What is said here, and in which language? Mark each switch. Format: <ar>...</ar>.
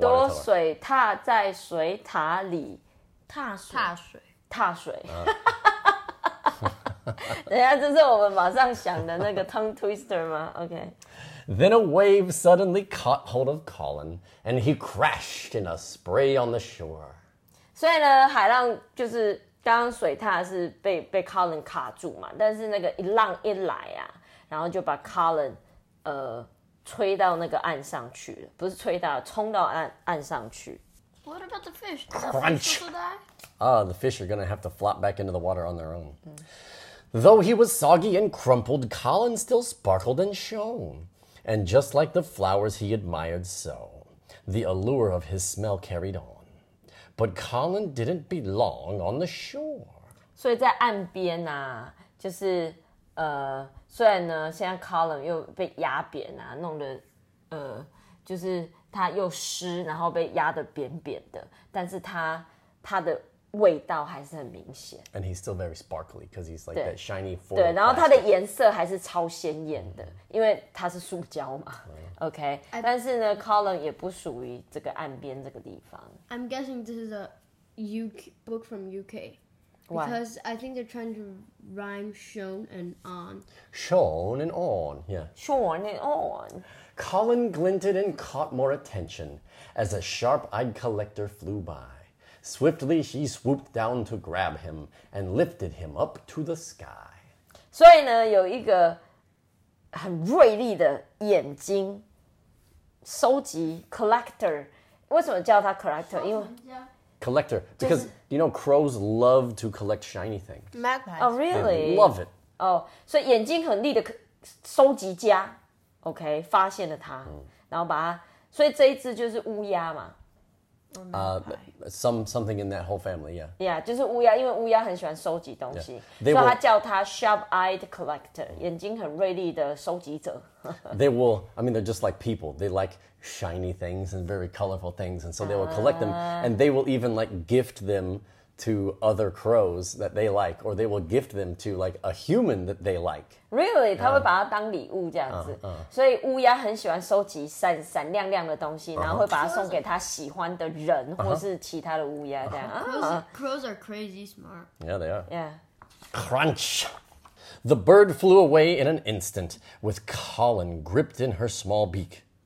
<zh>很多水獭在水塔里踏水踏水踏水、等一下，这是我们马上想的那个</zh> <en>tongue twister</en> <zh>吗 OK</zh> <en>Then a wave suddenly caught hold of Colin and he crashed in a spray on the shore.</en> <zh>所以呢，海浪就是刚刚水獭是 被 Colin 卡住嘛，但是那个一浪一来啊，然后就把 Colin 吹到那个岸上去了，不是吹到，冲到岸上去。</zh> <en>What about the fish? Crunch! The fish are going to have to flop back into the water on their own.、Though he was soggy and crumpled, Colin still sparkled and shone. And just like the flowers he admired so, the allure of his smell carried on. But Colin didn't belong on the shore.</en> <zh>所以在岸边啊，就是虽然呢，现在 Colin 又被压扁啊，弄得就是他又湿，然后被压得扁扁的，但是他的味道还是很明显。</zh> <en>And he's still very sparkly because he's like that shiny foil.</en> <zh>对，然后它的颜色还是超鲜艳的，因为它是塑胶嘛。 OK， 但是呢 ，Colin 也不属于这个岸边这个地方。</zh> <en>I'm guessing this is a UK book from UK because、 Why? I think they're trying to rhyme shone and on. Shone and on, yeah. Shone and on. Colin glinted and caught more attention as a sharp-eyed collector flew by. Swiftly, she swooped down to grab him and lifted him up to the sky.</en> <zh>所以呢，有一个很锐利的眼睛，收集 collector。为什么叫他 collector？ 因为</zh> <en>collector because、</en> <zh>就是、</zh> <en>you know crows love to collect shiny things. Magpies. Oh, really? They love it.</en> <zh>Oh, 所以眼睛很利的收集家。 OK， 发现了他，然后把他，所以这一只就是乌鸦嘛。</zh> <en>Something in that whole family, yeah.</en> <zh>Yeah, 就是乌鸦，因为乌鸦很喜欢收集东西，所以他叫他</zh> <en>sharp-eyed collector,</en> <zh>眼睛很锐利的收集者。</zh> <en>They will, I mean, they're just like people. They like shiny things and very colorful things, and so they will collect them, and they will even like gift them to other crows that they like, or they will gift them to like a human that they like. Really?</en> <zh>他会把它当礼物这样子。所以乌鸦很喜欢收集闪闪亮亮的东西，然后会把它送给他喜欢的人或是其他的乌鸦这样。</zh> <en>Crows are crazy smart. Yeah, they are. Yeah. Crunch! The bird flew away in an instant with Colin gripped in her small beak.</en>